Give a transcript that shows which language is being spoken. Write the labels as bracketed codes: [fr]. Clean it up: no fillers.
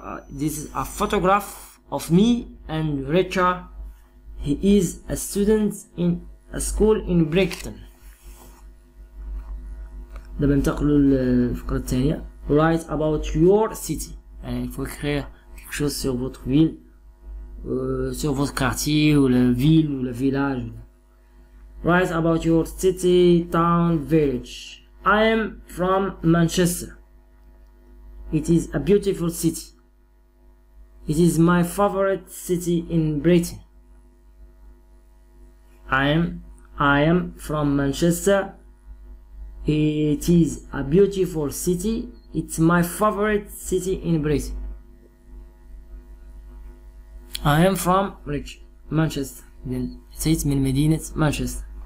[en] This is a photograph of me and Richard. He is a student in a school in Bloomington. [ar] دابا ننتقلوا للفقره الثانيه. [en] Write about your city. [ar] يعني [fr] il faut écrire quelque chose sur votre ville, sur votre quartier ou la ville ou le village. [en] Write about your city, town, village. I am from Manchester. It is a beautiful city. It is my favorite city in Britain. I am from Manchester. It is a beautiful city. It's my favorite city in Britain. I am from Manchester. Then [ar] أتيت من مدينة مانشستر.